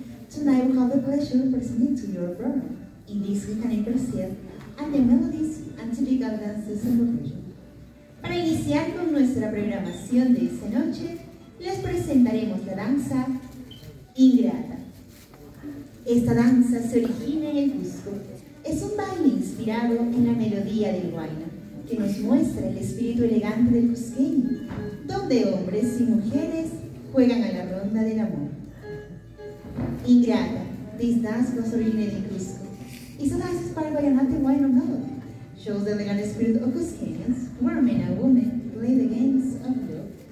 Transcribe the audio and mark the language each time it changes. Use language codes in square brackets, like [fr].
[en] Tonight we have the pleasure of presenting to you our program. In this we can appreciate and the melodies and typical dances in the region. [es] Para iniciar con nuestra programación de esta noche, les presentaremos la danza Ingrata. Esta danza se origina en el Cusco. Es un baile inspirado en la melodía del huayno, que nos muestra el espíritu elegante del cusqueño, donde hombres y mujeres juegan a la ronda del amor. [en] Ingrata, this dance was originated in Cusco. It's a dance inspired by an anti-wine or melody. Shows the elegant spirit of Cuscanians, where men and women play the games of love.